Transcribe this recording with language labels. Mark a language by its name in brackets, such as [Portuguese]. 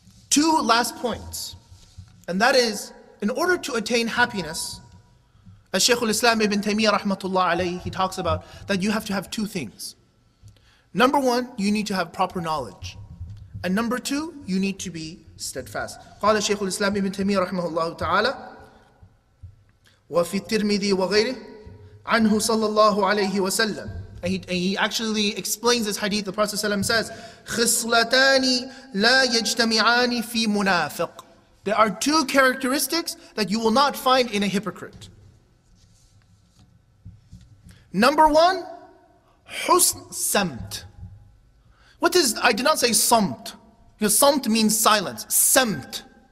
[English] two last points. And that is, in order to attain happiness, as Shaykh al-Islam ibn Taymiyyah rahmatullah alayhi, he talks about that you have to have two things. Number one, you need to have proper knowledge. And number two, you need to be steadfast. [Arabic] قال شيخ الإسلام ابن تيمية رحمه الله تعالى وفي الترمذي وغيره عنه صلى الله عليه وسلم. [English] And he actually explains this hadith. The Prophet ﷺ says, [Arabic] خصلتان لا يجتمعان في منافق. [English] There are two characteristics that you will not find in a hypocrite. Number one, [Arabic] حسن سمت. [English] What is, I did not say صمت. Because samt means silence. Samt.